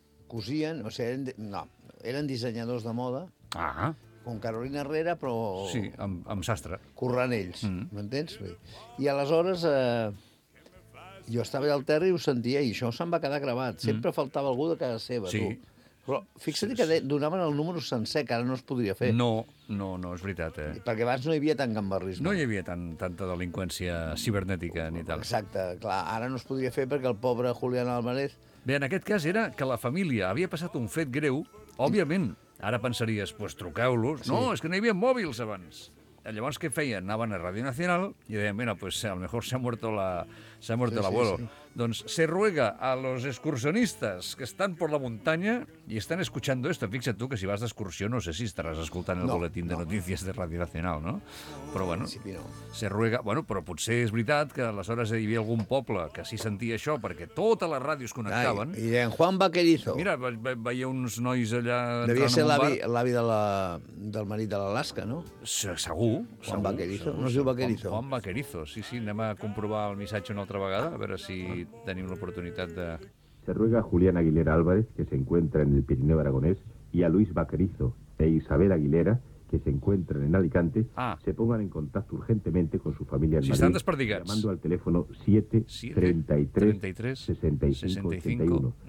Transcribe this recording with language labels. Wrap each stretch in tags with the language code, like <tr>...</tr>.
<ca>Cosien, o sigui, eren dissenyadors de moda. Ah. Com Carolina Herrera, però... Sí, amb sastre. Corrent ells, m'entens? I aleshores... jo estava allà al terra i ho sentia, i això se'm va quedar gravat. Sempre faltava algú de casa seva, sí. tu. Però fixa't sí, que donaven el número sencer, que ara no es podria fer. No, no, no, és veritat, eh? Perquè abans no hi havia tant gambarrisme. No hi havia tanta delinqüència cibernètica ni tal. Exacte, clar, ara no es podria fer perquè el pobre Julián Álvarez... Bé, en aquest cas era que la família havia passat un fet greu, òbviament. Ara pensaries, pues truqueu-los. Sí. No, és que no hi havia mòbils abans. Llavors, què feien? Anaven a Radio Nacional i deien, mira,</ca> <es>pues a lo mejor se ha muerto el abuelo.</es> <ca>Sí, sí.</ca> <es>Doncs se ruega a los excursionistas que están por la muntanya i estan escuchando esto.</es> <ca>Fixa't tu que si vas d'excursió no sé si estaràs escoltant el boletín de notícies de Radio Nacional, no? Però bueno,</ca> <es>se ruega...</es> <ca>Bueno, però potser és veritat que aleshores hi havia algun poble que sí sentia això perquè totes les ràdios connectaven. I en Juan Vaquerizo. Mira, veia uns nois allà... Devia ser l'avi del marit de l'Alaska, no? Segur. Juan Vaquerizo, no es diu Vaquerizo. Juan Vaquerizo, sí, sí, anem a comprovar el missatge una altra vegada, a veure si... tenim l'oportunitat de...</ca> <es>Se ruega a Julián Aguilera Álvarez, que se encuentra en el Pirineo Aragonés, y a Luis Vaquerizo e Isabel Aguilera, que se encuentran en Alicante, se pongan en contacto urgentemente con su familia en Madrid. Si están desperdigats. Llamando al teléfono 733-65-81.</es>